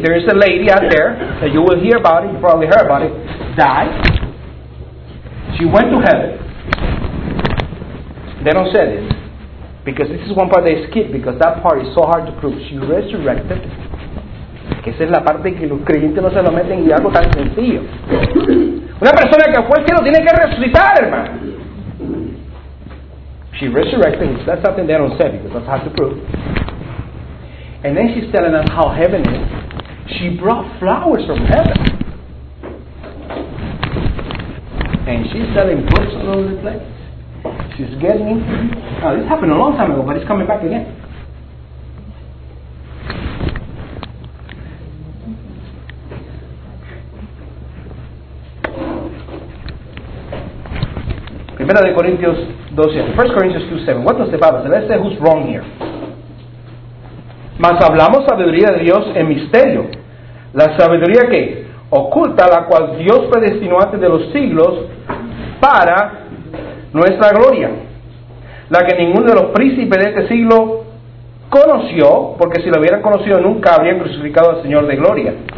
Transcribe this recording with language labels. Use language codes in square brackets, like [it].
[en] There is a lady out there that you will hear about it. You probably heard about it. Died. She went to heaven. They don't say this. Because this is one part they skip, because that part is so hard to prove. She resurrected. [es] Que esa es la parte que los creyentes no se lo meten y algo tan sencillo. Una persona que fue al cielo tiene que resucitar, hermano. [en] She resurrected. That's something they don't say, because that's hard to prove. And then she's telling us how heaven is. She brought flowers from heaven. And she's selling books all over the place. She's getting into it. Now, this happened a long time ago, but it's coming back again. [es] Primera de Corintios 2:7. [en] 1 Corinthians 2:7. What does the Bible say? Let's say who's wrong here. [es] Mas hablamos sabiduría de Dios en misterio. La sabiduría que oculta, la cual Dios predestinó antes de los siglos para nuestra gloria, la que ninguno de los príncipes de este siglo conoció, porque si lo hubieran conocido nunca habrían crucificado al Señor de gloria.